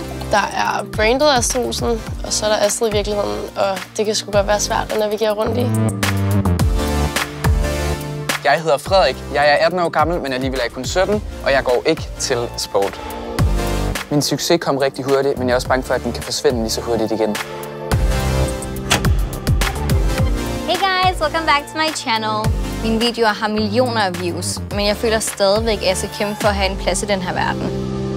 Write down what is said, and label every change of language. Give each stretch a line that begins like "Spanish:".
Danish: Der er branded Astrosen, og så er der Astrid i virkeligheden, og det kan sgu godt være svært at navigere rundt i. Jeg hedder Frederik, jeg er 18 år gammel, men alligevel er jeg kun 17, og jeg går ikke til sport. Min succes kom rigtig hurtigt, men jeg er også bange for, at den kan forsvinde lige så hurtigt igen.
English: Hey guys, welcome back to my channel.
Danish: Mine videoer har millioner af views, men jeg føler stadigvæk, at jeg skal kæmpe for at have en plads i den her verden.